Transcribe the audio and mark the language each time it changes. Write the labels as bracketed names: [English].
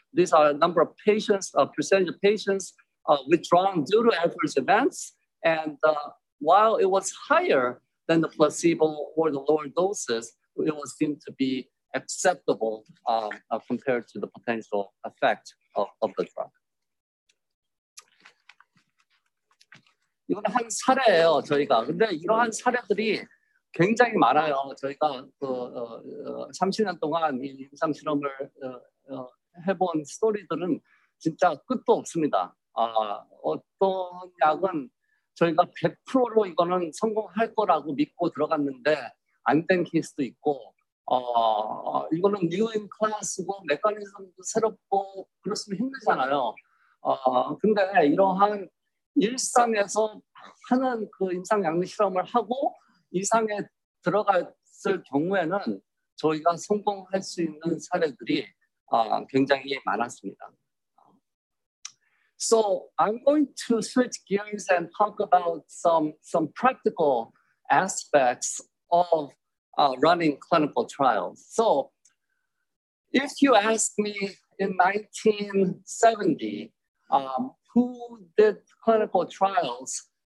[English] These are a number of patients, a percentage of patients withdrawn due to adverse events. And while it was higher than the placebo or the lower doses, it was deemed to be acceptable compared to the potential effect of the drug. [Korean] 이건 한 사례예요, 저희가. 근데 이러한 사례들이 굉장히 많아요. 저희가 30년 동안 이 임상 실험을 해본 스토리들은 진짜 끝도 없습니다. 어떤 약은 저희가 100%로 이거는 성공할 거라고 믿고 들어갔는데 안 된 케이스도 있고, 이거는 [English] new in class [Korean] 고 메커니즘도 새롭고 그렇으면 힘들잖아요. 근데 이러한 일상에서 하는 그 임상 양립 실험을 하고 이상에 들어갔을 경우에는 저희가 성공할 수 있는 사례들이 굉장히 많았습니다. [English] So I'm going to switch gears and talk about some practical aspects of running clinical trials. So if you ask me in 1970, who did clinical trials?